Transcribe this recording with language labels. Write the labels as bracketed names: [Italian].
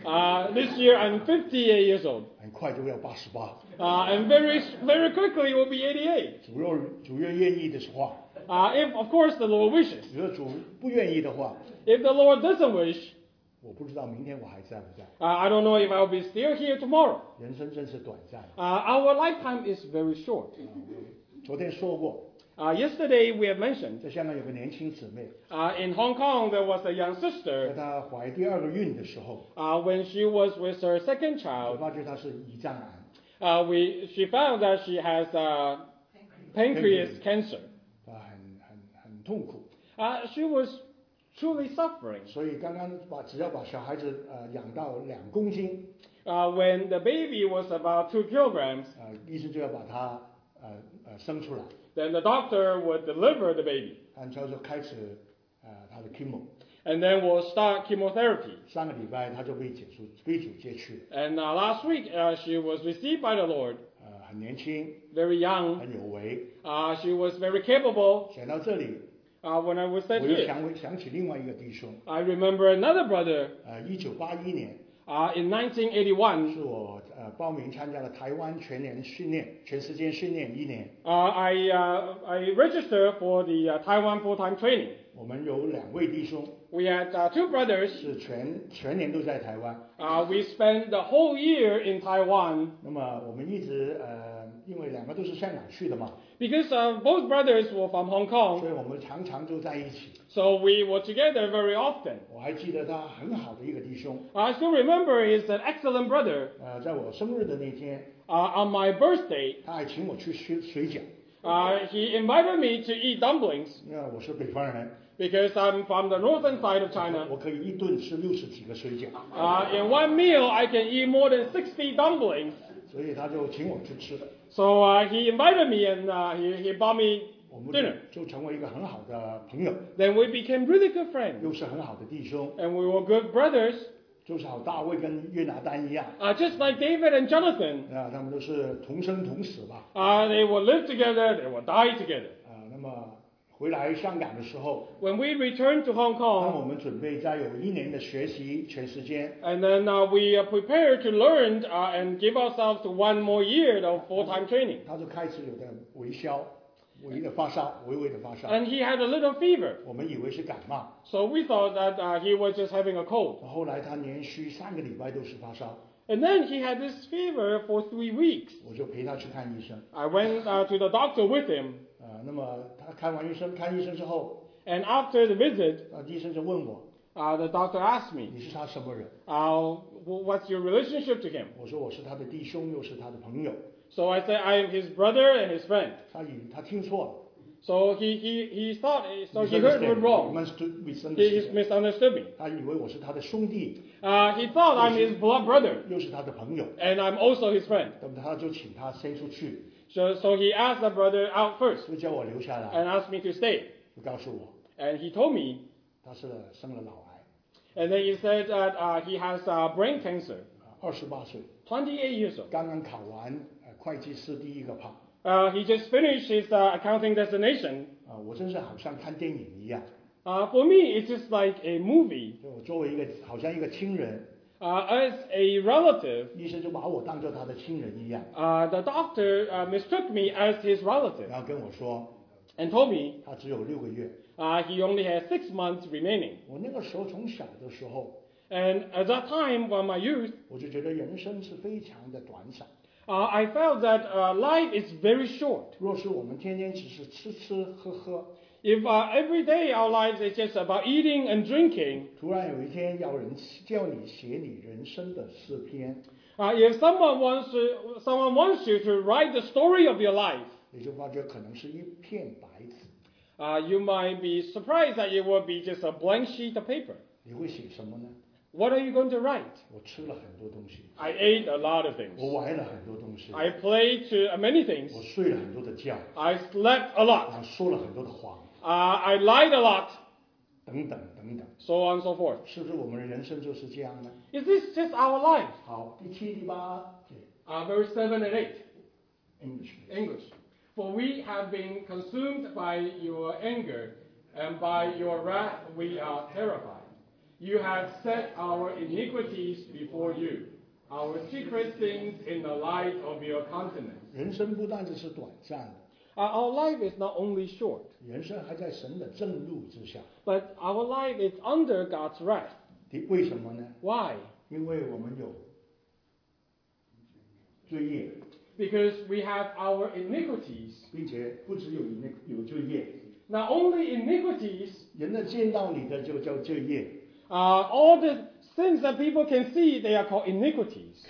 [English] This year I'm 58 years old. [Chinese] 快就要八十八。 [English] And very quickly will be 88. [Chinese] 主若愿意的话。 [English] If of course the Lord wishes. [Chinese] 如果主不愿意的话。 [English] If the Lord doesn't wish. [Chinese] 我不知道明天我还在不在。 [English] I don't know if I'll be still here tomorrow. [Chinese] 人生真是短暂。 [English] Our lifetime is very short. [Chinese] 昨天说过。 [English] Yesterday we have mentioned. [Chinese] 在香港有个年轻姊妹。 [English] In Hong Kong there was a young sister. [Chinese] 在她怀第二个孕的时候。 [English] When she was with her second child. [Chinese] 发觉她是胰脏癌。 [English] She found that she has pancreas cancer. [Chinese] 她很痛苦。 [English] She was truly suffering. [Chinese] 所以刚刚只要把小孩子养到两公斤。 [English] When the baby was about 2 kilograms. [Chinese] 医生就要把她生出来。 [English] Then the doctor would deliver the baby. [Chinese] 然后就开始他的 chemo. [English] And then we'll start chemotherapy. [Chinese] 上个礼拜他就被主接去了。 [English] And last week she was received by the Lord. [Chinese] 很年轻。 [English] Very young. [Chinese] 很有为。 [English] She was very capable. [Chinese] 想到这里。 [English] When I was said here. [Chinese] 我又想起另外一个弟兄。 [English] I remember another brother. [Chinese] 1981年。 [English] In 1981, [Chinese] 是我报名参加了台湾全年训练，全时间训练一年。 [English] I registered for the Taiwan full-time training. [Chinese] 我们有两位弟兄。 [English] We had two brothers. [Chinese] 是全年都在台湾。 [English] We spent the whole year in Taiwan. [Chinese] 那么我们一直因为两个都是香港去的嘛。 [English] Because both brothers were from Hong Kong. [Chinese] 所以我们常常都在一起。 [English] So we were together very often. [Chinese] 我还记得他很好的一个弟兄。 [English] I still remember he's an excellent brother. [Chinese] 在我生日的那天。 [English] On my birthday. [Chinese] 他还请我去吃水饺。 [English] He invited me to eat dumplings. [Chinese] 那我是北方人。 [English] Because I'm from the northern side of China. [Chinese] 我可以一顿吃六十几个水饺。 [English] In one meal, I can eat more than 60 dumplings. [Chinese] 所以他就请我去吃的。 [English] So he invited me and he bought me dinner. [Chinese] 就成为一个很好的朋友。 [English] Then we became really good friends. [Chinese] 又是很好的弟兄。 [English] And we were good brothers. [Chinese] 就是好大卫跟约拿丹一样。 [English] Just like David and Jonathan. [Chinese] 他们都是同生同死吧。 [English] They will live together, they will die together. [Chinese] 那么回来香港的时候 [English] ，When we returned to Hong Kong， [Chinese] 当我们准备再有一年的学习全时间 [English] ，And then we prepared to learn and give ourselves one more year of full-time training。 [Chinese] 他就开始有点微烧，微的发烧，微微的发烧。 [English] And he had a little fever。 [Chinese] 我们以为是感冒。 [English] So we thought that he was just having a cold。 [Chinese] 后来他连续三个礼拜都是发烧。 [English] And then he had this fever for 3 weeks。 [Chinese] 我就陪他去看医生。 [English] I went to the doctor with him。 [Chinese] 那么他看完医生，看医生之后 [English] ，And after the visit， [Chinese] 医生就问我 [English] ，The doctor asked me， [Chinese] 你是他什么人 [English] ？What's your relationship to him？ [Chinese] 我说我是他的弟兄，又是他的朋友。 [English] So I said I am his brother and his friend。 [Chinese] 他听错了。 [English] So he thought so he heard me wrong。 Misunderstood me。 He misunderstood me。 [Chinese] 他以为我是他的兄弟。 [English] He thought I'm his blood brother。 [Chinese] 又是他的朋友。 [English] And I'm also his friend。 [Chinese] 那么他就请他先出去。 [English] So he asked the brother out first. [Chinese] 就叫我留下来。 [English] And asked me to stay. [Chinese] 就告诉我。 [English] And he told me. [Chinese] 他是生了脑癌。 [English] And then he said that he has brain cancer. [Chinese] 28岁。 [English] 28 years old. [Chinese] 刚刚考完会计师第一个炮。 [English] He just finished his accounting designation. [Chinese] 我真是好像看电影一样。 [English] For me, it's just like a movie. [Chinese] 就我作为一个好像一个亲人。 [English] As a relative, [Chinese] 医生就把我当作他的亲人一样。 [English] The doctor mistook me as his relative. [Chinese] 然后跟我说 [English] ，and told me [Chinese] 他只有六个月。 [English] He only has 6 months remaining. [Chinese] 我那个时候从小的时候 [English] ，and at that time from my youth, [Chinese] 我就觉得人生是非常的短暂。 [English] I felt that life is very short. [Chinese] 若是我们天天只是吃吃喝喝。 [English] If every day our lives is just about eating and drinking, [Chinese] 突然有一天要人叫你写你人生的诗篇 [English] if someone wants you to write the story of your life, [Chinese] 你就发觉可能是一片白纸 [English] you might be surprised that it will be just a blank sheet of paper. [Chinese] 你会写什么呢？ [English] What are you going to write? [Chinese] 我吃了很多东西。 [English] I ate a lot of things. [Chinese] 我玩了很多东西。 [English] I played to many things. [Chinese] 我睡了很多的觉。 [English] I slept a lot. [Chinese] 我说了很多的谎。 [English] I lied a lot. [Chinese] 等等等等。 [English] So on and so forth. [Chinese] 是不是我们人生就是这样呢？ [English] Is this just our life? [Chinese] 好，第七、第八节。 [English] Verse 7 and 8. English. English. For we have been consumed by your anger, and by your wrath we are terrified. You have set our iniquities before you, our secret things in the light of your countenance. [Chinese] 人生不但是短暂的。 [English] Our life is not only short, [Chinese] 人生还在神的正路之下。 [English] But our life is under God's wrath. [Chinese] 为什么呢？ [English] Why? [Chinese] 因为我们有罪业。 [English] Because we have our iniquities. [Chinese] 并且不只有有罪业。 [English] Not only iniquities. [Chinese] 人家见到你的就叫罪业。 [English] All the things that people can see, they are called iniquities.